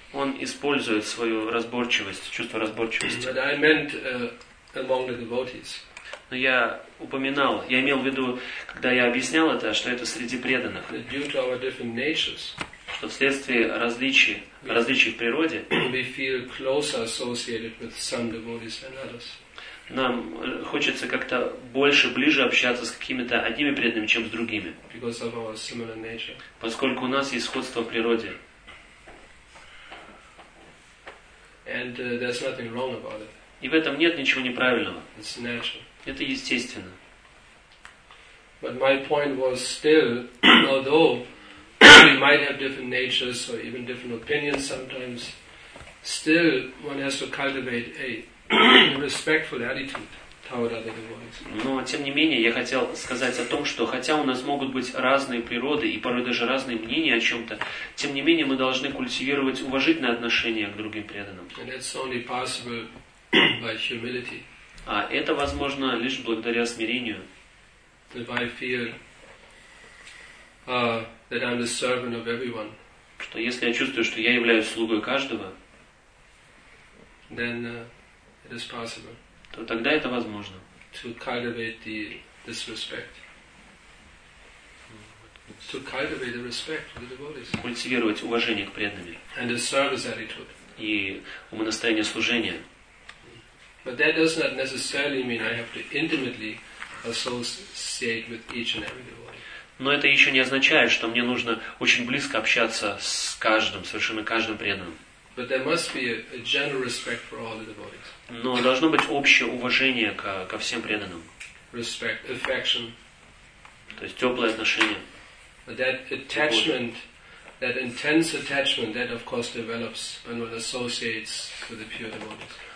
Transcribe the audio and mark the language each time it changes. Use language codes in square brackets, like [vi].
[ru] Он использует свою разборчивость, чувство разборчивости. [en] But I meant among the devotees. [ru] Но я упоминал, я имел в виду, когда я объяснял это, что это среди преданных. [en] That due to our different natures, [ru] что вследствие различий, различий в природе, [en] we feel closer associated with some devotees than others. [ru] Нам хочется как-то больше, ближе общаться с какими-то одними преданными, чем с другими. [en] Because of our similar nature. [ru] Поскольку у нас есть сходство в природе. [en] And, there's nothing wrong about it. [ru] И в этом нет ничего неправильного. [en] It's natural. [ru] Это естественно. [en] But my point was still, although we might have different natures or even different opinions sometimes, still one has to cultivate a respectful attitude toward other devotees. [ru] Но тем не менее я хотел сказать о том, что хотя у нас могут быть разные природы и порой даже разные мнения о чем-то, тем не менее мы должны культивировать уважительное отношение к другим преданным. [en] And that's only possible by humility. [ru] А это возможно лишь благодаря смирению. [en] If I feel that I'm the servant of everyone, [ru] что если я чувствую, что я являюсь слугой каждого, [en] then it is possible. [ru] То тогда это возможно. [en] To cultivate the disrespect. To cultivate the respect for the devotees. [ru] Культивировать уважение к преданным. [en] And a service attitude. [ru] И умонастроение служения. [en] But that does not necessarily mean I have to intimately associate with each and every devotee. [ru] Но это еще не означает, что мне нужно очень близко общаться с каждым, совершенно каждым преданным. [en] But there must be a general respect for all the devotees. [ru] Но должно быть общее уважение ко всем преданным. [en] Respect, affection. [ru] То есть теплое отношение. [en] But that attachment, that intense attachment, that of course develops when one associates with the pure devotees.